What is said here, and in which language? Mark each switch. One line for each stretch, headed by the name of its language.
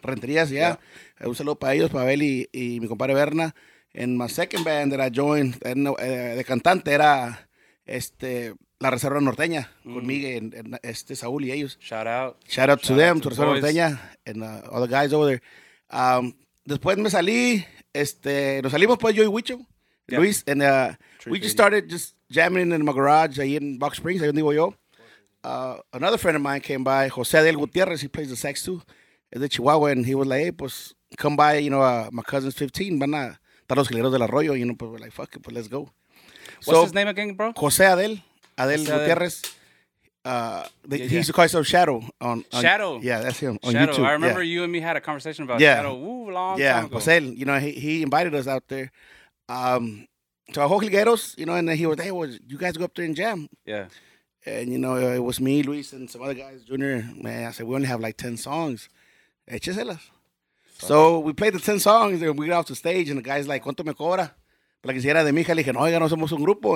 Spanish: Renterias, yeah. Un saludo para ellos, Pavel y mi compadre Berna.
English: And my second band that I joined, and the cantante era La Reserva Norteña, con Miguel and Saúl
Spanish: y ellos.
English: Shout out to them, to Reserva Norteña, and all the guys over there.
Spanish: Después me salí, nos salimos pues yo y Huicho, yep.
English: Luis, and we just started just jamming in my garage
Spanish: ahí en Box Springs, ahí donde vivo yo.
English: Another friend of mine came by, José Del Gutiérrez, he plays the sax too,
Spanish: es de Chihuahua,
English: and he was like, hey, pues, come by, you know, my cousin's 15,
Spanish: van a estar los Jileros del Arroyo,
English: you know, but we're like, fuck it, but let's go. What's his name again, bro? José Adel. Adel Gutierrez. He used to call himself Shadow. Shadow? Yeah, that's him. On YouTube. I remember you and me had a conversation about Shadow. Woo, long time ago. Yeah, José, you know, he invited us out there. To Ajo Jilgueros, you know, and then he was, hey, well, you guys go up there and jam. Yeah. And, you know, it was me, Luis, and some other guys, Junior. Man, I said, we only have like 10 songs.
Spanish: Echeselas.
English: So we played the 10 songs, and we got off the stage, and the guy's like,
Spanish: ¿cuánto me cobra? Para que si era de mi hija, le dije, no, oiga, no somos un grupo.